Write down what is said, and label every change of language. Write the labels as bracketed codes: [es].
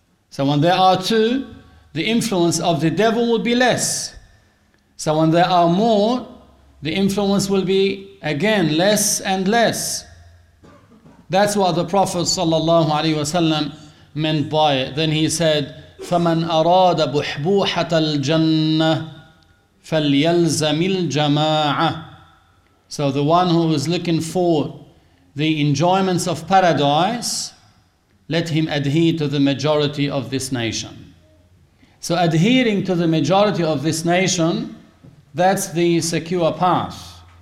[en] So when there are two, the influence of the devil will be less. So when there are more, the influence will be again less and less. That's what the Prophet sallallahu alaihi wasallam meant by it. [ar] Then he said, فَمَنْ أَرَادَ بُحْبُوحَةَ الْجَنَّةِ فَلْيَلْزَمِ الْجَمَاعَةِ. [en] So the one who is looking for the enjoyments of paradise, let him adhere to the majority of this nation. So adhering to the majority of this nation, that's the secure path.